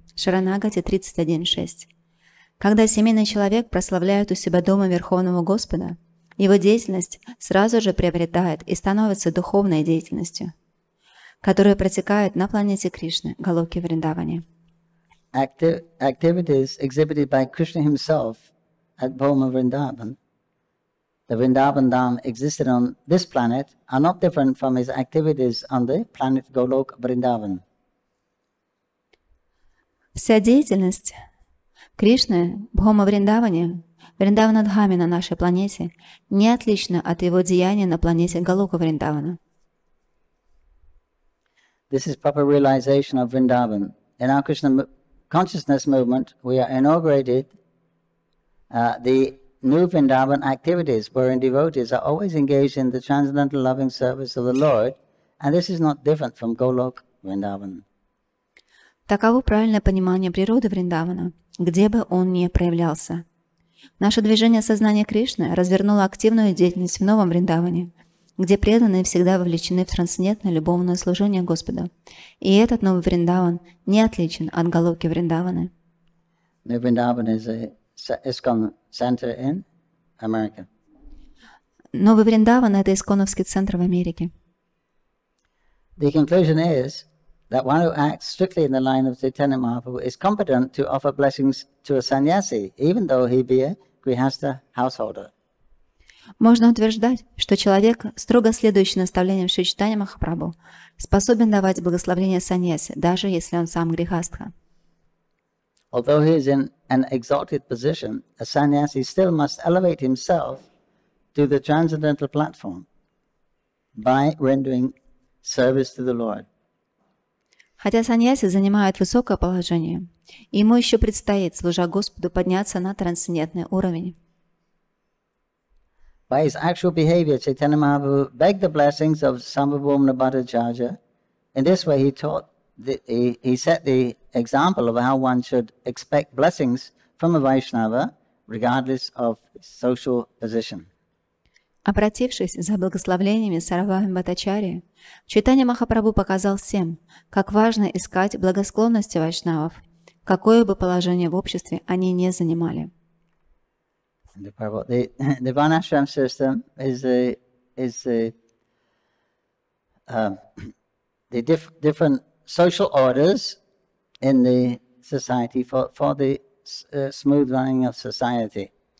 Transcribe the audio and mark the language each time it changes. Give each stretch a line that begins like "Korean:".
Russian: Шаранагати 31.6. Когда семейный человек прославляет у себя дома Верховного Господа, его деятельность сразу же приобретает и становится духовной деятельностью, которая протекает на планете Кришны, Галоке Вриндаване.
English: Activities exhibited by Krishna himself at Bhoma Vrindavan, the Vrindavan Dham existed on this planet, are not different from his activities on the planet Golok Vrindavan.
Russian: Вся деятельность Кришны Бхома Вриндаване, Вриндавана Дхаме на нашей планете, не отлична от его деяния на планете Голока Вриндавана.
English: This is proper realization of Vrindavan. In our Krishna consciousness movement, we are inaugurated the new Vrindavan activities, wherein devotees are always engaged in the transcendental loving service of the Lord, and this is not different from Golok Vrindavan.
Russian: Таково правильное понимание природы Вриндавана, где бы он ни проявлялся. Наше движение сознания Кришны развернуло активную деятельность в новом Вриндаване, где преданные всегда вовлечены в трансцендентное любовное служение Господа. И этот новый Вриндаван не отличен от Голоки Вриндаваны.
English: New Vrindavan is a ISKCON center in America.
Russian: Новый Вриндаван – это ИСКОНовский центр в Америке.
English: The conclusion is that one who acts strictly in the line of Caitanya Mahaprabhu is competent to offer blessings to a sannyasi, even though he be a grihastha householder.
Russian: Можно утверждать, что человек, строго следующий наставлениям Шри Чайтанья Махапрабху, способен давать благословение саньяси, даже если он сам грихастха.
English: Although he is in an exalted position, a sannyasi still must elevate himself to the transcendental platform by rendering service to the Lord.
Russian: Хотя саньяси занимают высокое положение, ему еще предстоит, служа Господу, подняться на трансцендентный уровень.
English: By his actual behavior, Caitanya Mahaprabhu begged the blessings of Sambhavamana Bhattacharya. In this way he set the example of how one should expect blessings from a Vaishnava, regardless of social position.
Russian: Обратившись за благословлениями Сарабхама Бхаттачарьи, Чайтанья Махапрабху показал всем, как важно искать благосклонности вайшнавов, какое бы положение в обществе они не занимали.
English: the Prabhu. The Vanashram system is the different social orders in the society for the smooth running of society.